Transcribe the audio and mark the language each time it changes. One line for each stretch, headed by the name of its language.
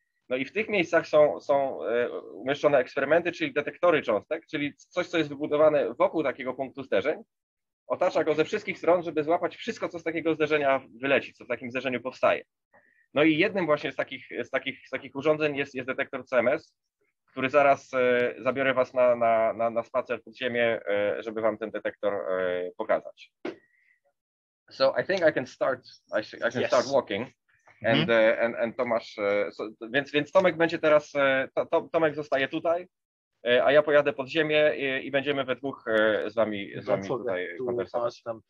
Polish: No i w tych miejscach są umieszczone eksperymenty, czyli detektory cząstek, czyli coś, co jest wybudowane wokół takiego punktu zderzeń, otacza go ze wszystkich stron, żeby złapać wszystko, co z takiego zderzenia wyleci, co w takim zderzeniu powstaje. No i jednym właśnie z takich urządzeń jest detektor CMS, który zaraz zabiorę Was na spacer pod ziemię, żeby Wam ten detektor pokazać.
English: So I think I can start, I can yes. start walking. And, mm-hmm. and Tomasz, so,
Polish: więc Tomek będzie teraz, Tomek zostaje tutaj, a ja pojadę pod ziemię i będziemy we dwóch z wami tutaj konwersować.